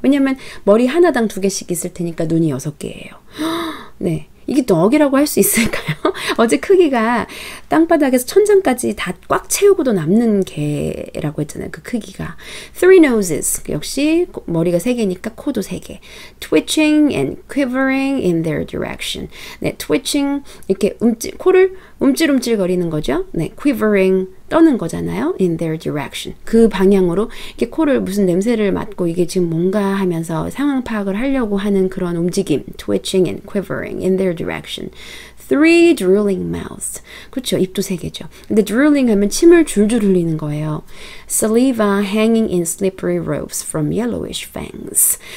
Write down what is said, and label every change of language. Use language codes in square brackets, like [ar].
[ko] 왜냐면 머리 하나당 두 개씩 있을 테니까 눈이 여섯 개예요. 네. 이게 dog이라고 할수 있을까요? 어제 크기가 땅바닥에서 천장까지 다꽉 채우고도 남는 개라고 했잖아요. 그 크기가. [en] Three noses. [ko] 역시 머리가 세 개니까 코도 세 개. [en] Twitching and quivering in their direction. [ko] 네, [en] twitching. [ko] 이렇게 코를 움찔움찔 거리는 거죠. 네, quivering 떠는 거잖아요. [en] In their direction. [ko] 그 방향으로 이렇게 코를 무슨 냄새를 맡고 이게 지금 뭔가 하면서 상황 파악을 하려고 하는 그런 움직임. [en] Twitching and quivering in their direction. Three drooling mouths. [ko] 그렇죠. 입도 세 개죠. 근데 drooling 하면 침을 줄줄 흘리는 거예요. [en] Saliva hanging in slippery ropes from yellowish fangs.